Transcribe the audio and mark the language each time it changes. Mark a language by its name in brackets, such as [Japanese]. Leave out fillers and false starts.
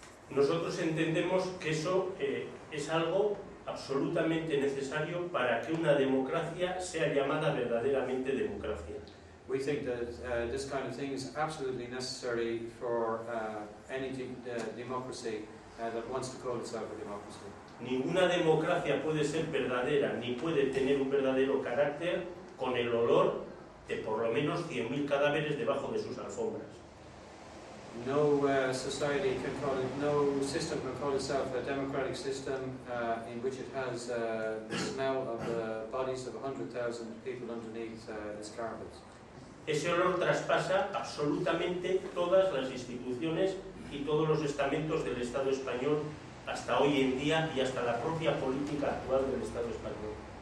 [Spanish] Nosotros entendemos que eso es algo absolutamente necesario para que una democracia sea llamada verdaderamente democracia. [English] We think that this kind of thing is absolutely necessary for any democracy that wants to call itself a democracy. [Spanish] Ninguna democracia puede ser verdadera ni puede tener un verdadero carácter con el olor de por lo menos 100.000 cadáveres debajo de sus alfombras. [English] no society can call it, no system can call itself a democratic system in which it has the smell of the bodies of 100,000 people underneath its carpets. [Spanish] Ese olor traspasa absolutamente todas las instituciones y todos los estamentos del Estado español hasta hoy en día y hasta la propia política actual del Estado español.